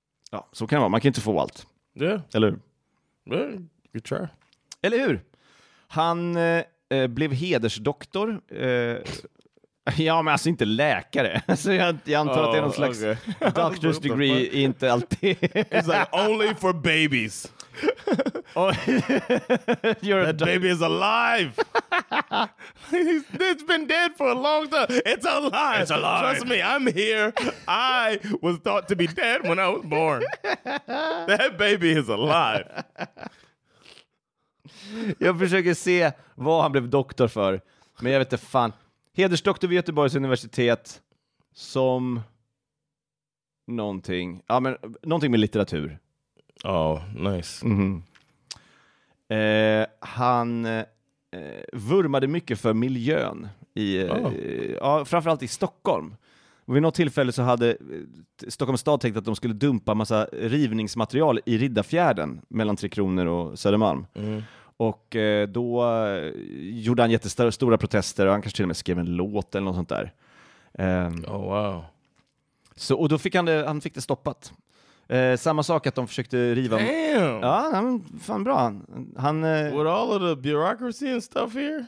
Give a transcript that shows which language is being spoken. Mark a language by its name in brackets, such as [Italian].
[Swedish] ja, så kan det vara. Man kan inte få allt. Ja. Yeah. Eller hur? [English] You try. [Swedish] Eller hur? Han blev hedersdoktor. Ja, men alltså inte läkare. Så jag antar att det är någon slags doctor's degree. Inte alltid. [English] It's like only for babies. You're that baby is alive. It's been dead for a long time. It's alive. It's alive. Trust me, I'm here. I was thought to be dead when I was born. That baby is alive. [Swedish] Jag försöker se vad han blev doktor för. Men jag vet inte fan. Hedersdoktor vid Göteborgs universitet som någonting. Ja, men någonting med litteratur. [English] Oh, nice. Mm-hmm. [Swedish] Han vurmade mycket för miljön i framförallt i Stockholm. Vid något tillfälle så hade Stockholms stad tänkt att de skulle dumpa massa rivningsmaterial i Riddarfjärden mellan Tre Kronor och Södermalm. Mm. Och då gjorde han jättestora protester, och han kanske till och med skrev en låt eller något sånt där. [English] Oh wow. [Swedish] Så, och då fick han fick det stoppat. Samma sak att de försökte riva. [English] Damn. [Swedish] Ja, han fan bra. Han [English] with all of the bureaucracy and stuff here.